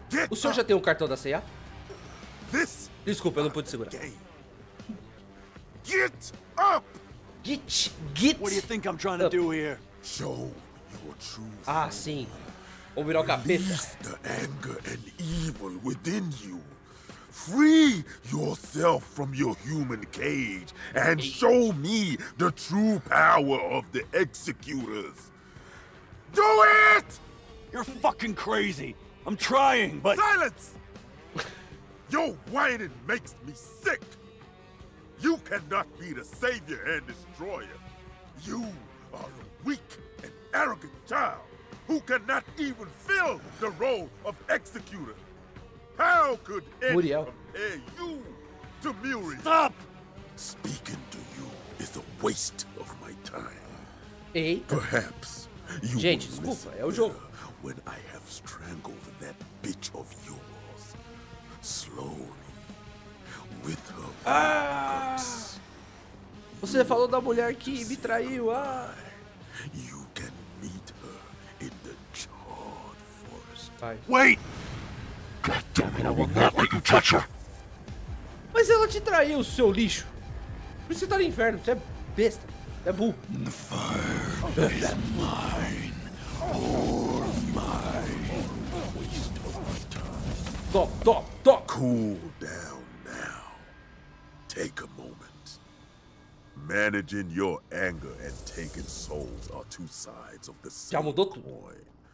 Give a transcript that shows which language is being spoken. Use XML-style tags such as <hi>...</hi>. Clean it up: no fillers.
<pt>O senhor já tem um cartão da CIA? Desculpa, eu não pude segurar.</pt> <en>Get up! Get! What do you think I'm trying to do here? Show your truth.</en> <pt>Ah, sim. Vou virar o capeta.</pt> <en>Release the anger and evil within you. Free yourself from your human cage and show me the true power of the executors. Do it! You're fucking crazy. I'm trying, but... Silence! Your whining makes me sick! You cannot be the savior and destroyer. You are a weak and arrogant child who cannot even fill the role of executor. How could anyone compare you to Muri? Stop! Speaking to you is a waste of my time. Hey. Perhaps you</en> <pt>gente,</pt> <en>will listen</en> <pt>desculpa, é o jogo.</pt> <en>When I have strangled that bitch of yours, slowly, with her guts,</en> <pt>Você falou da mulher que me traiu, ah!</pt> <en>You can meet her in the charred forest.</en> <pt>Vai.</pt> <en>Wait! God damn it, I will not let you touch her!</en> <pt>Mas ela te traiu, seu lixo! Por isso você tá no inferno, você é besta, você é burro.</pt> <en>The fire is mine, all mine. Waste of my time.</en> <pt>Top, top, top.</pt> <en>Cool down now. Take a moment. Managing your anger and taking souls are two sides of the same coin.</en>